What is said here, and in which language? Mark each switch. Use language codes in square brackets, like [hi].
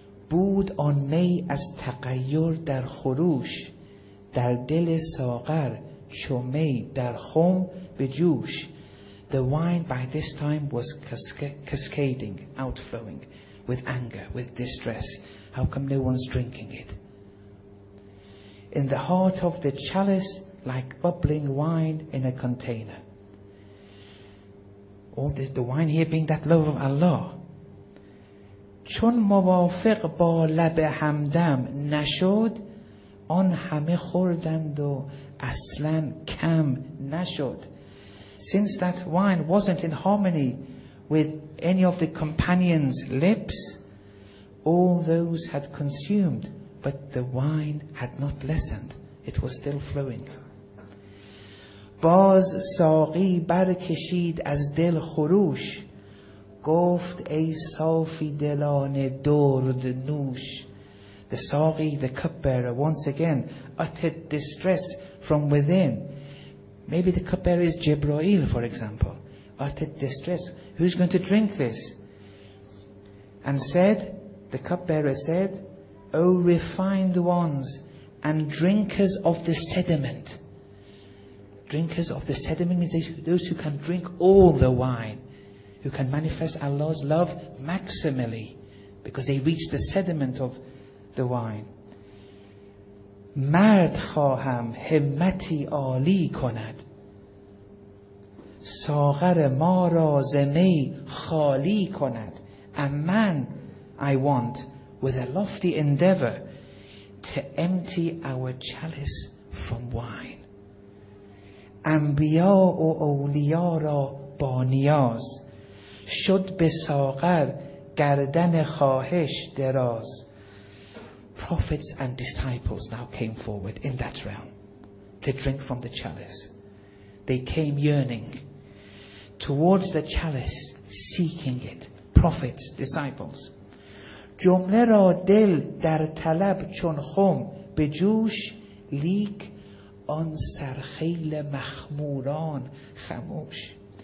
[fa] بود آن می از تغییر در خروش، در دل ساغر چو می در خم به جوش. [en] The wine by this time was cascading, outflowing with anger, with distress. How come no one's drinking it? In the heart of the chalice, like bubbling wine in a container. All the wine here being that love of Allah. [fa] چون موافق با لب همدم نشد، آن همه خوردند و اصلا کم نشد. [en] Since that wine wasn't in harmony with any of the companions' lips, all those had consumed, but the wine had not lessened. It was still flowing. [fa] باز ساقی برکشید از دل خروش، گفت ای صافی دلان درد نوش. [en] The ساقی, the cup bearer, once again uttered distress from within. Maybe the cup bearer is Jibreel, for example. Uttered distress. Who's going to drink this? And said, the cup bearer said, O refined ones and drinkers of the sediment. Drinkers of the sediment means those who can drink all the wine, who can manifest Allah's love maximally because they reach the sediment of the wine. [fa] مرد خواهم همتی عالی کند، ساغر ما را ز می خالی کند. [en] A man I want with a lofty endeavor to empty our chalice from wine. [fa] انبیا و اولیا را با نیاز، شد به ساغر گردن خواهش دراز. [en] Prophets and disciples now came forward in that realm to drink from the chalice. They came yearning towards the chalice, seeking it. Prophets, disciples. [fa] جمله را دل در طلب چون خم به جوش، لیک آن سرخیل مخموران خموش.